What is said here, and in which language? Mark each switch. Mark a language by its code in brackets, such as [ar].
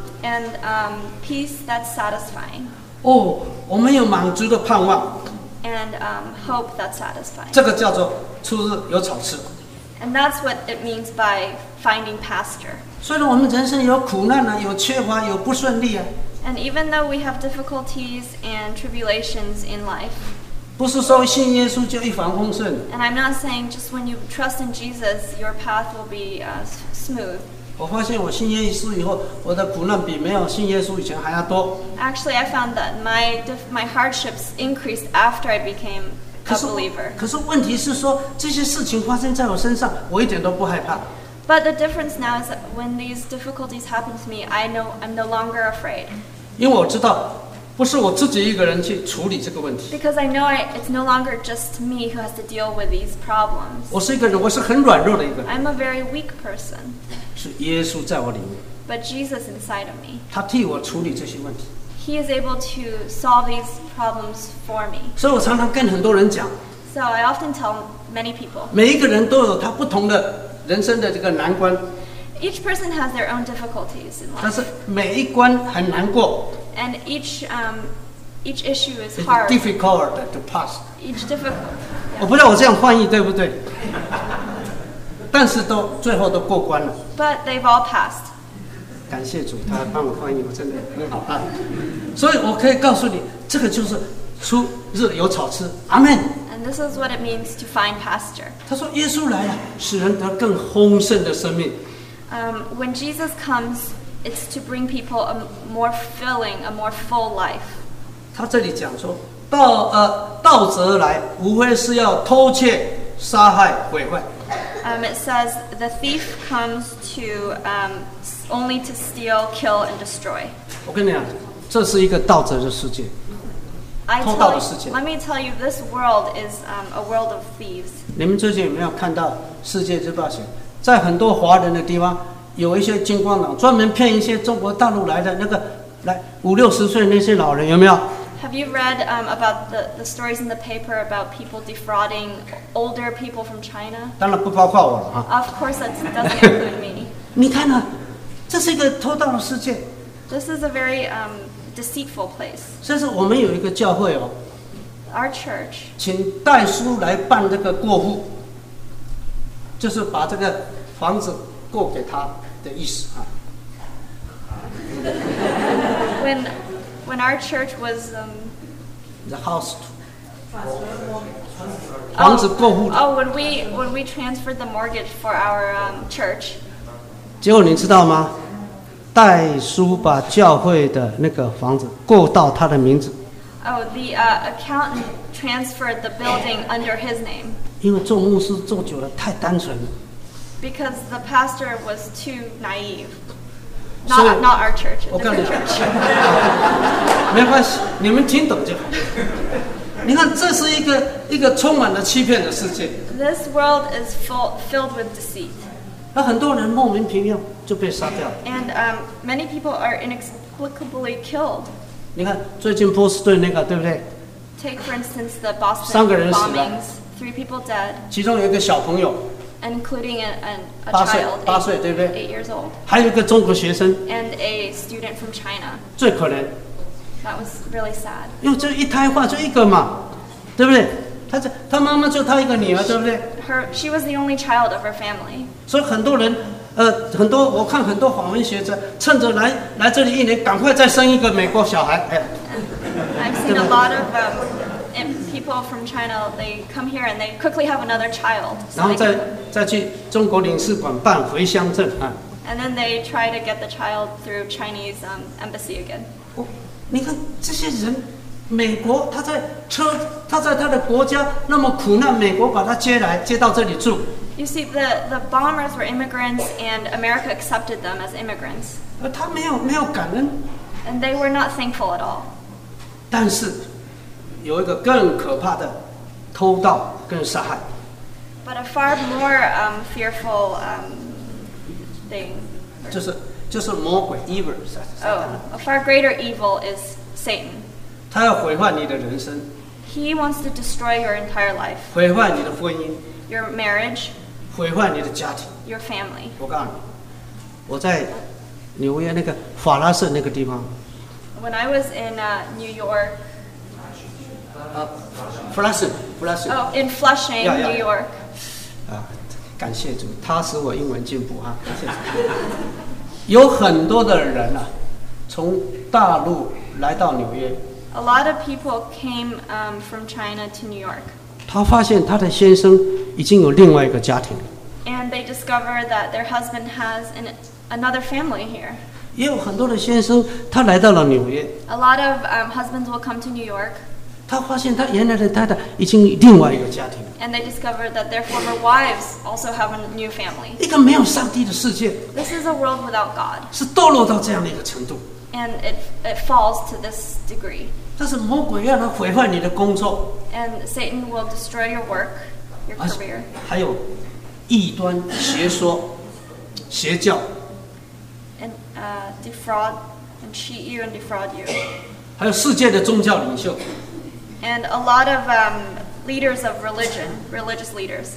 [en] And peace that's satisfying. [zh] 哦，我们有满足的盼望。 [en] And hope that's satisfying. [zh] 这个叫做初日有草吃。 [en] And that's what it means by finding pasture. [zh] 虽然我们人生有苦难啊，有缺乏，有不顺利啊。 [en] And even though we have difficulties and tribulations in life. [zh] 不是说信耶稣就一帆风顺。 [en] And I'm not saying just when you trust in Jesus, your path will be smooth. [zh] 我发现我信耶稣以后，我的苦难比没有信耶稣以前还要多。 [en] Actually, I found that my hardships increased after I became. [zh] 可是问题是说这些事情发生在我身上我一点都不害怕。 [en] But the difference now is that when these difficulties happen to me, I know I'm no longer afraid. [zh] 因为我知道不是我自己一个人去处理这个问题。 [en] Because I know it's no longer just me who has to deal with these problems. [zh] 我是一个人，我是很软弱的一个人。 [en] I'm a very weak person. [zh] 是耶稣在我里面。 [en] but Jesus inside of me. [zh] 他替我处理这些问题。 [en] He is able to solve these problems for me. [zh] 所以我常常跟很多人讲。 [en] So I often tell many people. [zh] 每一个人都有他不同的人生的这个难关。 [en] Each person has their own difficulties in life. [zh] 但是每一关很难过。 [en] And each issue is hard. Difficult to pass. Each difficult. [zh] 我不知道我这样翻译对不对。但是都最后都过关了。 [en] But they've all passed. [zh] 感谢主，他帮我翻译，我真的很好啊。所以我可以告诉你，这个就是出日有草吃。阿门。 [en] And this is what it means to find pasture. [zh] 他说，耶稣来了，使人得更丰盛的生命。 [en] When Jesus comes, it's to bring people a more filling, a more full life. [zh] 他这里讲说，盗贼来，无非是要偷窃、杀害、毁坏。 [en] It says the thief comes to only to steal, kill, and destroy. [zh] 我跟你讲，这是一个盗贼的世界，偷盗的世界。 [en] Let me tell you, this world is a world of thieves. [zh] 你们最近有没有看到《世界日报》写，在很多华人的地方，有一些金光党专门骗一些中国大陆来的那个来五六十岁那些老人，有没有？ [en] Have you read about the stories in the paper about people defrauding older people from China? [zh] 当然不包括我了哈。 [en] Of course, that doesn't include me. [zh] 你看呢、啊？这是一个偷盗的世界。 [en] This is a very deceitful place. [zh] 甚至我们有一个教会哦。 [en] Our church. [zh] 请代书来办这个过户，就是把这个房子过给他的意思啊。 [en] When our church was the house to transfer when we transferred the mortgage for our church. [zh] 结果你知道吗？代书把教会的那个房子过到他的名字。 [en] Oh, the accountant transferred the building under his name. [zh] 因为做牧师做久了太单纯了。 [en] Because the pastor was too naive. Not our church. [zh] 我告诉你，没关系，你们听懂就好。你看，这是一个充满了欺骗的世界。 [en] This world is filled with deceit. [zh] 那很多人莫名其妙就被杀掉。 [en] And many people are inexplicably killed. [zh] 你看最近波士顿那个，对不对 [en] ？Take for instance the Boston bombings. Three people dead. [zh] 其中有一个小朋友。 [en] And including a child, [zh] 8岁，对不对 [en] ？8 years old. [zh] 还有一个中国学生。 [en] And a student from China. [zh] 最可怜。 [en] That was really sad. [zh] 因为就一胎化，就一个嘛，对不对？他妈妈就他一个女儿，对不对 [en] ？She was the only child of her family. [zh] 所以很多人，很多我看很多访问学者趁着来这里一年，赶快再生一个美国小孩，哎。 [en] I've seen a lot of people from China. They come here and they quickly have another child. [zh] 然后再去中国领事馆办回乡证啊。 [en] And then they try to get the child through Chinese embassy again. [zh] 你看这些人，美国他在他的国家那么苦难，美国把他接来接到这里住。 [en] You see, the bombers were immigrants, and America accepted them as immigrants. [zh] 他没有感恩。 [en] And they were not thankful at all. [zh] 但是。有一个更可怕的偷盗跟杀害。 [en] But a far more fearful thing. [zh] 就是魔鬼 evil 是吧？ [en] Oh, a far greater evil is Satan. [zh] 他要毁坏你的人生。 [en] He wants to destroy your entire life. [zh] 毁坏你的婚姻。 [en] Your marriage. [zh] 毁坏你的家庭。 [en] Your family. [zh] 我告诉你，我在纽约那个法拉盛那个地方。 [en] When I was in New York. Flushing, Flushing. Oh, in Flushing, New York. [zh] 感谢主，他使我英文进步啊！感谢主。有很多的人啊，从大陆来到纽约。 [en] A lot of people came from China to New York. [zh] 他发现他的先生已经有另外一个家庭。 [en] And they discover that their husband has another family here. [zh] 也有很多的先生，他来到了纽约。 [en] A lot of husbands will come to New York. [zh] 他发现他原来的太太已经另外一个家庭。 [en] And they discover that their former wives also have a new family. [zh] 一个没有上帝的世界。 [en] This is a world without God. [zh] 是堕落到这样的一个程度。 [en] And it falls to this degree. [zh] 但是魔鬼要他毁坏你的工作。 [en] And Satan will destroy your work, your career. [zh] 还有异端邪说、邪教。 [en] And defraud and cheat you and defraud you. [zh] 还有世界的宗教领袖。 [en] And a lot of leaders of religion, religious leaders.